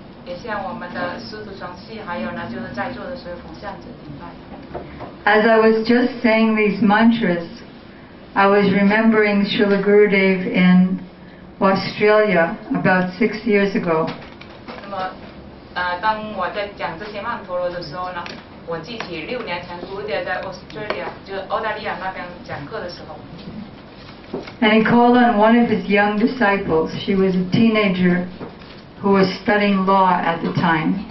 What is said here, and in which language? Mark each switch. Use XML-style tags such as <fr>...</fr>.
<en>As I was just saying these mantras, I was remembering Srila Gurudeva in Australia about 6 years ago.</en> <zh>当我在讲这些曼陀罗的时候呢，我记起六年前古鲁德在澳大利亚那边讲课的时候。And</zh> <en>he called on one of his young disciples. She was a teenager who was studying law at the time.</en>